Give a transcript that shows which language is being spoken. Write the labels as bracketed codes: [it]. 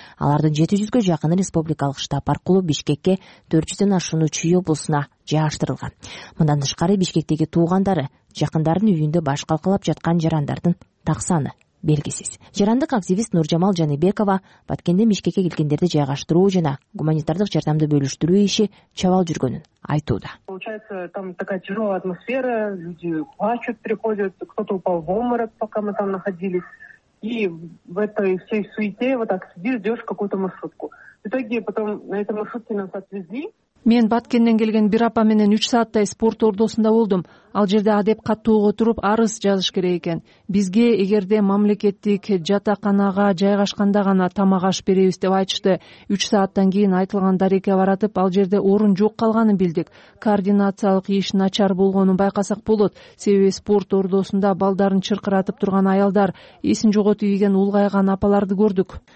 [ky] Алардын 700 жакыны республикалык штаб аркылуу Бишкекке 400 ашууну чүй облусуна жайгаштырылган. Мындан тышкары Бишкектеги туугандары жакындарынын үйүндө баш калкалап жаткан жарандардын так саны белгисиз. Жарандык активист Нуржамал Жаныбекова Баткенден Бишкекке келгендерди жайгаштыруу жана гуманитардык жардамды бөлүштүрүү иши чабал жүргөнүн айтууда. [ru] Получается, там такая тяжелая атмосфера, люди плачут, приходят, кто-то упал в обморок, пока мы там находились. И в этой всей суете вот так сидишь, ждешь какую-то маршрутку. В итоге потом на этой маршрутке нас отвезли. [ky] Мен Баткенден келген бир апа менен 3 сааттай спорт ордосунда болдум. Ал жерде Адеп каттоого отуруп арыз жазыш керек экен. Бизге эгерде мамлекеттик жатаканага жайгашканда гана тамак аш беребиз деп айтышты. 3 сааттан кийин айтылган дарекке баратып, ал жерде орун жок калганын билдик. Координациялык иш начар болгонун байкасак болот. Себеби спорт ордосунда балдарын чыркыратып турган аялдар, эсин жоготуп ийген улгайган апаларды көрдүк.